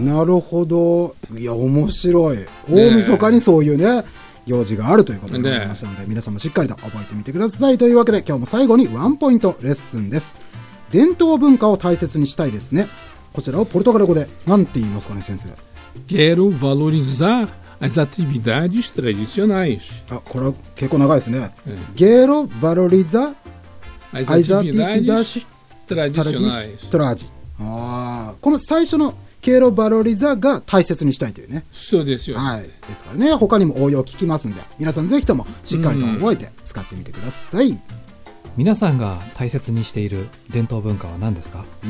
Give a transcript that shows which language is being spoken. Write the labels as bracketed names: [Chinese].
[Japanese] なるほど、いや面白い、大晦日にそういう ね行事があるということでございましたので、皆さんもしっかりと覚えてみてください。というわけで今日も最後にワンポイントレッスンです。伝統文化を大切にしたいですね。こちらをポルトガル語で何て言いますかね先生。 [Portuguese] Quero valorizar as atividades tradicionais. [Japanese] これは結構長いですね。 [Portuguese] Quero valorizar as atividades tradicionais. [Japanese] この最初の [Portuguese] Quero valorizar [Japanese] が大切にしたいというね。そうですよ、はい、ですからね、他にも応用聞きますんで、皆さんぜひともしっかりと覚えて使ってみてください。皆さんが大切にしている伝統文化は何ですか。